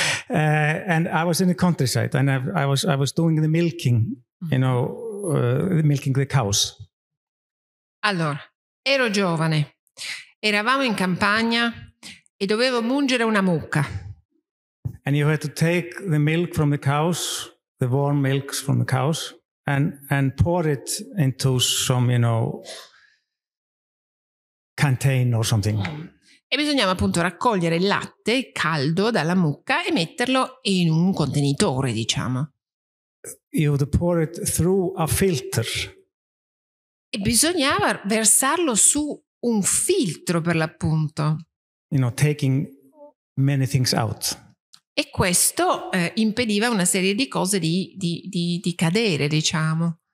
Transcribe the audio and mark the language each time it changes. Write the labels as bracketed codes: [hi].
[en] And I was in the countryside, and I was doing the milking, you know, milking the cows. [it] Allora, ero giovane, eravamo in campagna e dovevo mungere una mucca. [en] And you had to take the milk from the cows, the warm milk from the cows, and pour it into some, you know, container or something. [it] E bisognava appunto raccogliere il latte caldo dalla mucca e metterlo in un contenitore, diciamo. [en] You had to pour it through a filter. [it] E bisognava versarlo su un filtro, per l'appunto. [en] You know, taking many things out. [it] E questo impediva una serie di cose di cadere, diciamo.